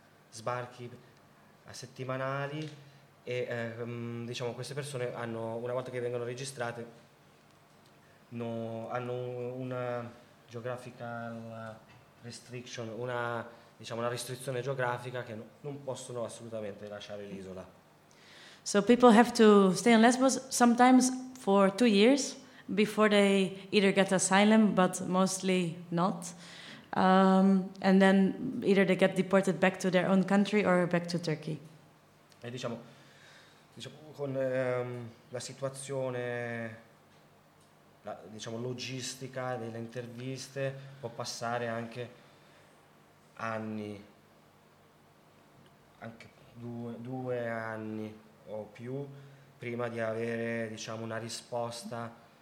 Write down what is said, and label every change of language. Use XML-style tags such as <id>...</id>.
<it>sbarchi settimanali e diciamo queste persone hanno, una volta che vengono registrate, hanno una</it> <en>geographical restriction,</en> <it>una restrizione geografica che non possono assolutamente lasciare l'isola.</it> <en>So people have to stay on Lesbos sometimes for 2 years before they either get asylum, but mostly not. And then either they get deported back to their own country or back to Turkey.</en> <it>E diciamo con la situazione, diciamo logistica delle interviste, può passare anche anni, anche due anni o più prima di avere diciamo una risposta</it>